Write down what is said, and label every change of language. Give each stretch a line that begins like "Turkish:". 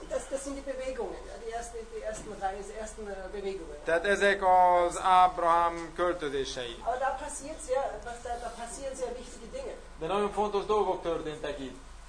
German: Das sind die Bewegungen, die ersten Reise, ersten Bewegungen.
Hungarian: Tehát ezek az Ábrahám költözései.
German: Aber da passieren sehr wichtige Dinge.
Hungarian: De nagyon fontos dolgok történtek itt.